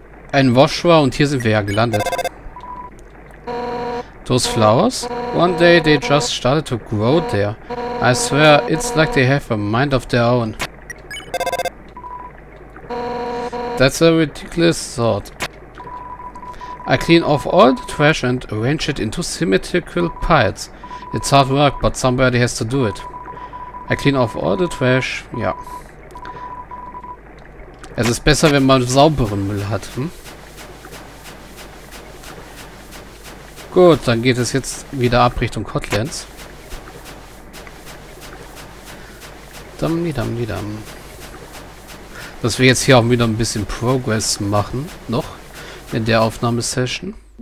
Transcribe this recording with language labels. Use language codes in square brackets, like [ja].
[de] Ein Washua und hier sind wir ja gelandet. [en] Those flowers? One day they just started to grow there. I swear, it's like they have a mind of their own. That's a ridiculous thought. I clean off all the trash and arrange it into symmetrical piles. It's hard work, but somebody has to do it. I clean off all the trash. Ja. [de] Es ist besser, wenn man sauberen Müll hat. Hm? Gut, dann geht es jetzt wieder ab Richtung Cotlands. Dam-di-dam-di-dam. Dass wir jetzt hier auch wieder ein bisschen Progress machen, noch in der Aufnahmesession.